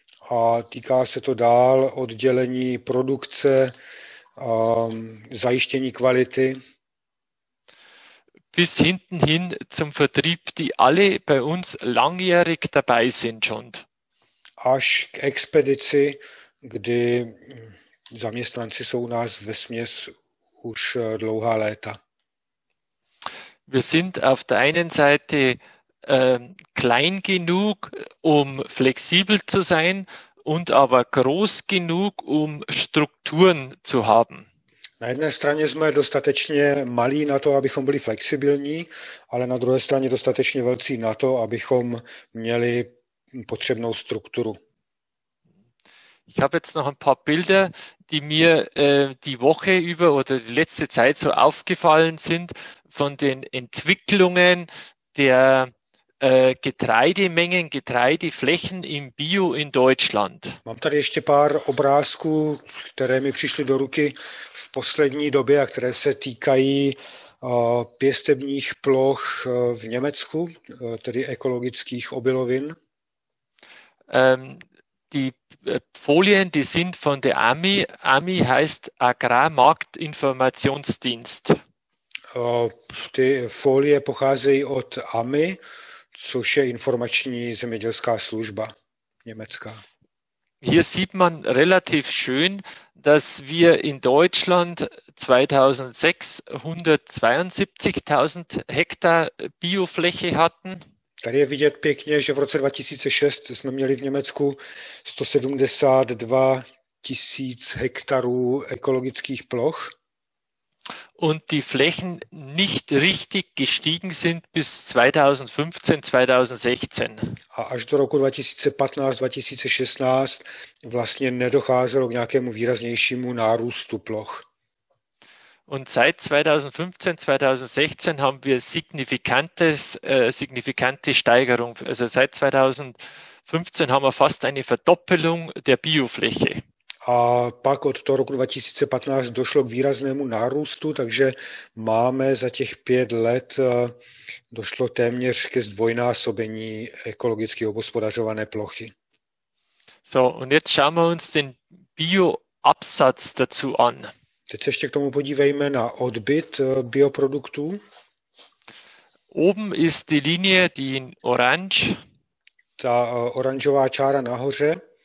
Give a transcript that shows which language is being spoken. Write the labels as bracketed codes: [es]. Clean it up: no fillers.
[cs] A týká se to dál oddělení produkce, zajištění kvality. [de] Bis hinten hin zum Vertrieb, die alle bei uns langjährig dabei sind schon. [cs] Až k expedici, kdy zaměstnanci jsou u nás vesměs už dlouhá léta. [de] Wir sind auf der einen Seite klein genug, um flexibel zu sein und aber groß genug, um Strukturen zu haben. [cs] Na jedné straně jsme dostatečně malí na to, abychom byli flexibilní, ale na druhé straně dostatečně velcí na to, abychom měli potřebnou strukturu. [de] Ich habe jetzt noch ein paar Bilder, die mir die Woche über oder die letzte Zeit so aufgefallen sind von den Entwicklungen der Getreidemengen, Getreideflächen im Bio in Deutschland. [cs] Mám tady ještě pár obrázků, které mi přišly do ruky v poslední době a které se týkají pěstebních ploch v Německu, tedy ekologických obilovin. [de] Die Folien, die sind von der AMI. AMI heißt Agrarmarktinformationsdienst. [cs] Ty folie pocházejí od AMI, což je informační zemědělská služba německá. [de] Hier sieht man relativ schön, dass wir in Deutschland 2006 172.000 Hektar Biofläche hatten. [cs] Tady je vidět pěkně, že v roce 2006 jsme měli v Německu 172 1000 [de] Hektar ökologischer [cs] Ploch. [de] Und die Flächen nicht richtig gestiegen sind bis 2015, 2016. [cs] A až do roku 2015, 2016 vlastně nedocházelo k nějakému výraznějšímu nárůstu ploch. [de] Und seit 2015, 2016 haben wir signifikante Steigerung. Also seit 2015 haben wir fast eine Verdoppelung der Biofläche. [cs] A pak od toho roku 2015 došlo k výraznému nárůstu, takže máme za těch pět let došlo téměř ke zdvojnásobení ekologicky obhospodařované plochy. [de] So, und jetzt schauen wir uns den Bioabsatz dazu an. [cs] Teď se ještě k tomu podívejme na odbyt bioproduktů. [de] Oben ist die Linie, die in orange. [cs] Ta oranžová čára nahoře.